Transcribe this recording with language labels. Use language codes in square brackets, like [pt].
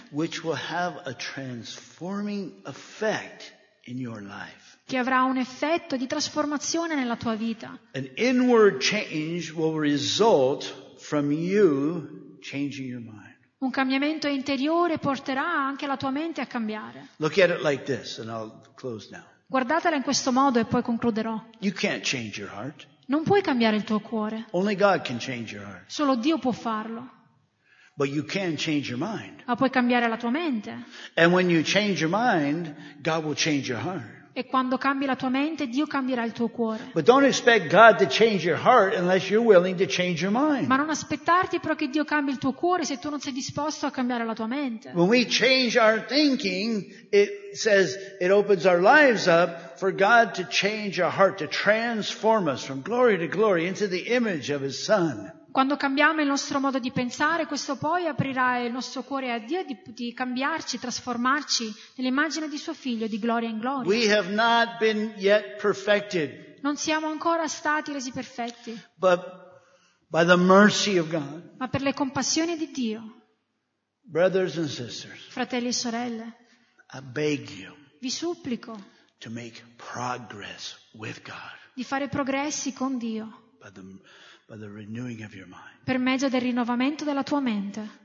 [en] Which will have a transforming effect in your life. [it] Che avrà un effetto di trasformazione nella tua vita. [en] An inward change will result from you changing your mind. [it] Un cambiamento interiore porterà anche la tua mente a cambiare. [en] Look at it like this, and I'll close now. [it] Guardatela in questo modo e poi concluderò. [en] You can't change your heart. [it] Non puoi cambiare il tuo cuore. [en] Only God can change your heart. [it] Solo Dio può farlo. [en] But you can change your mind. [it] Ma puoi cambiare la tua mente. [en] And when you change your mind, God will change your heart. [it] E quando cambi la tua mente, Dio cambierà il tuo cuore. [en] But don't expect God to change your heart unless you're willing to change your mind. [it] Ma non aspettarti però che Dio cambi il tuo cuore se tu non sei disposto a cambiare la tua mente. [en] When we change our thinking, it says it opens our lives up for God to change our heart, to transform us from glory to glory into the image of His Son. [it] Quando cambiamo il nostro modo di pensare, questo poi aprirà il nostro cuore a Dio di cambiarci, trasformarci nell'immagine di suo figlio, di gloria in gloria. [en] We have not been yet perfected. [it] Non siamo ancora stati resi perfetti. [en] But by the mercy of God. [it] Ma per le compassioni di Dio. [en] Brothers and sisters. [it] Fratelli e sorelle. [en] I beg you. [it] Vi supplico. [en] To make progress with God. [it] Di fare progressi con Dio. [en] By the renewing of your mind. [it] Per mezzo del rinnovamento della tua mente.